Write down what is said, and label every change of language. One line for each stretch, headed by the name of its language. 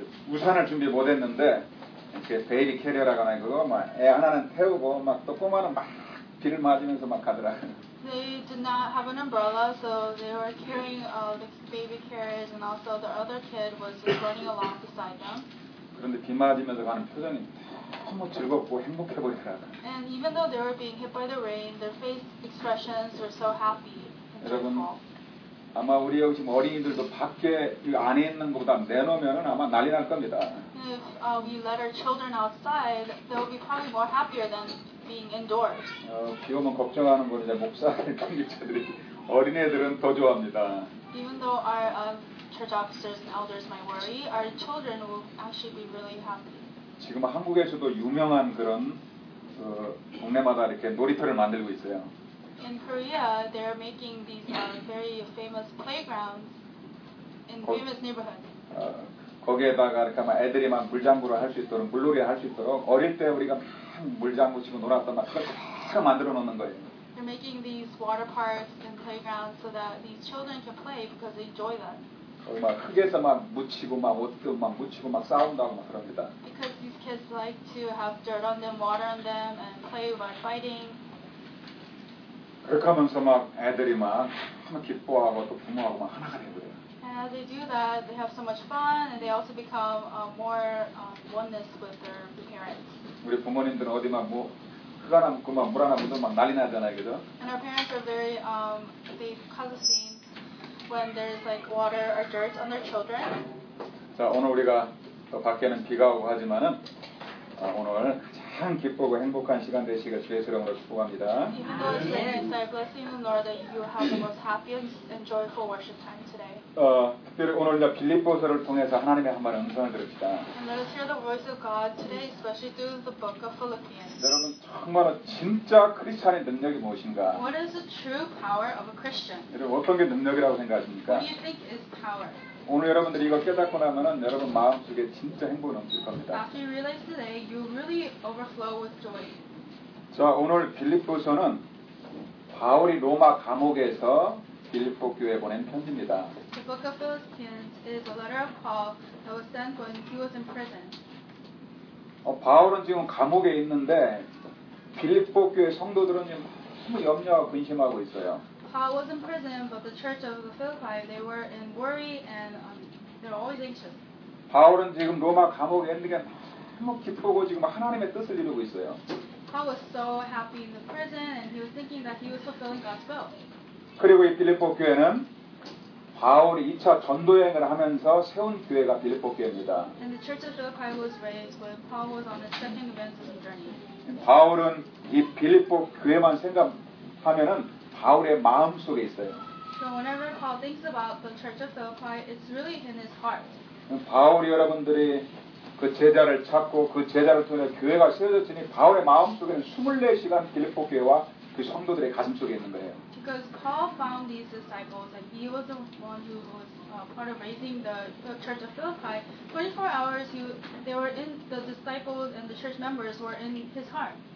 Korean: 우산을 준비 못했는데 이렇게 베이비 캐리어라고 하나요 그거 막 애 하나는 태우고 막 또 꼬마는 막 비를 맞으면서 막 가더라고.
English: They did not have an umbrella, so they were carrying the baby carriage, and also the other kid was just running along beside them.
Korean: 그런데 비 맞으면서 가는 표정이 너무 즐겁고 행복해 보이더라고.
English: And even though they were being hit by the rain, their face expressions were so happy.
Korean: 여러분. 아마 우리 여기 지금 어린이들도 밖에 안에 있는 것보다 내놓으면은 아마 난리 날 겁니다.
English: If we let our children outside, they'll be probably more happier than being indoors.
Korean: 비 오면 걱정하는 건 이제 목사들, 관계자들이 어린애들은 더 좋아합니다.
English: Even though our church officers and elders might worry, our children will actually be really happy.
Korean: 지금 한국에서도 유명한 그런 동네마다 이렇게 놀이터를 만들고 있어요.
English: In Korea, they're making these very famous playgrounds in famous neighborhoods.
Korean: 거기에다가 이렇게 막 애들이 막 물장구를 할 수 있도록 물놀이 할 수 있도록 어릴 때 우리가 막 물장구 치고 놀았던 막 그걸 다 만들어 놓는 거예요.
English: They're making these water parks and playgrounds so that these children can play because they enjoy them.
Korean: 막 흙에서 막 묻히고 막 옷도 막 묻히고 막 싸운다고 막 그럽니다.
English: Because these kids like to have dirt on them, water on them, and play by fighting.
Korean: 그렇게 하면서 막 애들이 막 기뻐하고 또 부모하고 막 하나가 되고요.
English: And as they do that, they have so much fun, and they also become more oneness with their parents.
Korean: 우리 부모님들은 어디 막 뭐 흙 하나 묻고 막 물 하나 묻고 막 난리 나잖아요, 그죠?
English: And our parents are very they cause a scene when there's like water or dirt on their children.
Korean: 자, 오늘 우리가 또 밖에는 비가 오고 하지만은 오늘 참 기쁘고 행복한 시간 되시길 주의 이름으로 축복합니다.
English: Even though today is our blessing in the Lord that you have the most happiest and joyful worship time today.
Korean: 특별히 오늘 빌립보서를 통해서 하나님의 한 말 음성을 들읍시다.
English: And let us hear the voice of God today, especially through the book of Philippians.
Korean: 여러분 정말 진짜 크리스찬의 능력이 무엇인가?
English: What is the true power of a Christian?
Korean: 여러분 어떤 게 능력이라고 생각하십니까?
English: What do you think is power?
Korean: 오늘 여러분들이 이거 깨닫고 나면은 여러분 마음속에 진짜 행복이 넘칠 겁니다.
English: After you realize today, you really overflow with joy.
Korean: 자, 오늘 빌립보서는 바울이 로마 감옥에서 빌립보 교회에 보낸 편지입니다.
English: The book of Philippians is a letter of Paul that was sent when he was in prison.
Korean: 바울은 지금 감옥에 있는데 빌립보 교회 성도들은 지금 염려하고 근심하고 있어요.
English: Paul was in prison, but the church of the Philippi they were in worry and they're always anxious.
Korean: 바울은 지금 로마 감옥에 있는 게 너무 기쁘고 지금 하나님의 뜻을 이루고 있어요.
English: Paul was so happy in the prison and he was thinking that he was fulfilling God's will.
Korean: 그리고 이 빌립보 교회는 바울이 2차 전도 여행을 하면서 세운 교회가 빌립보 교회입니다.
English: And the church of Philippi was raised when Paul was on his second evangelism journey.
Korean: 바울은 이 빌립보 교회만 생각하면은 바울의 마음 속에 있어요.
English: So whenever Paul thinks about the church of Philippi, it's really in his heart.
Korean: 바울이 여러분들이 그 제자를 찾고 그 제자를 통해 교회가 세워졌으니 바울의 마음 속에는 24시간 빌립보 교회와 그 성도들의 가슴 속에 있는 거예요.
English: Because Paul found these disciples and he was the one who was part of raising the church of Philippi. 24 hours, they were in the disciples and the church members were in his heart.